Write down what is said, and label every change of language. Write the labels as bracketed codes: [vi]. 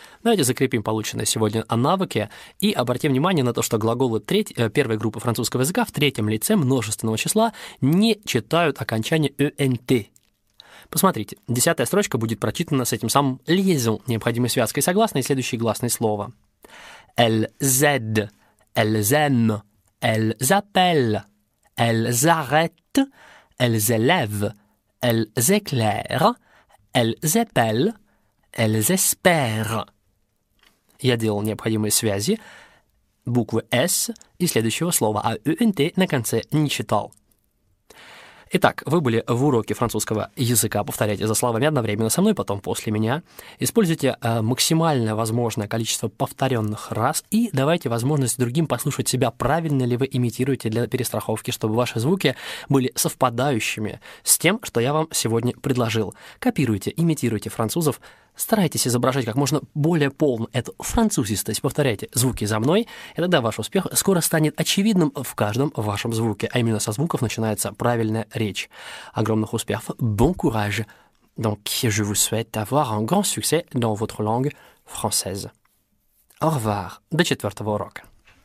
[ru] Давайте закрепим полученные сегодня навыки и обратим внимание на то, что глаголы первой группы французского языка в третьем лице множественного числа не читают окончание «ent». Посмотрите, десятая строчка будет прочитана с этим самым liaison, необходимой связкой согласной и следующей гласной слова. [fr] Elles aident, elles aiment, elles appellent, elles arrêtent, elles élèvent, elles éclairent, elles appellent, elles espèrent. [ru] Я делал необходимые связи буквы S и следующего слова, а ENT на конце не читал. Итак, вы были в уроке французского языка. Повторяйте за словами одновременно со мной, потом после меня. Используйте максимально возможное количество повторенных раз и давайте возможность другим послушать себя, правильно ли вы имитируете для перестраховки, чтобы ваши звуки были совпадающими с тем, что я вам сегодня предложил. Копируйте, имитируйте французов. Старайтесь изображать как можно более полно эту французистость. Повторяйте звуки за мной, и тогда ваш успех скоро станет очевидным в каждом вашем звуке, а именно со звуков начинается правильная речь. Огромных успехов! [fr] Bon courage! Donc, je vous souhaite d'avoir un grand succès dans votre langue française. Au revoir! [ru] До четвертого урока!